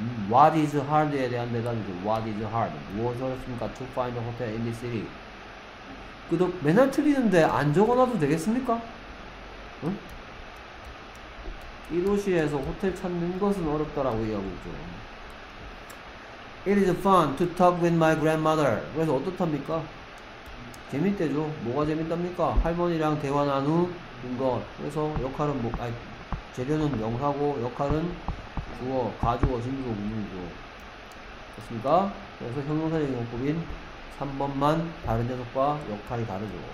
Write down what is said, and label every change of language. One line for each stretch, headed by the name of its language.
Korean: What is hard에 대한 대답이죠.
English: What is hard?
Korean: 무엇이 어렵습니까?
English: To find a hotel in this city.
Korean: 그도 맨날 틀리는데 안 적어놔도 되겠습니까? 응? 이 도시에서 호텔 찾는 것은 어렵다라고 이야기하고 있죠.
English: It is fun to talk with my grandmother.
Korean: 그래서 어떻답니까? 재밌대죠. 뭐가 재밌답니까? 할머니랑 대화 나누는 것. 그래서 역할은 뭐, 아니, 재료는 명사고 역할은 주어, 가주어, 진주어, 문이죠. 됐습니까? 그래서 형용사적인 용법인 3번만 다른 녀석과 역할이 다르죠.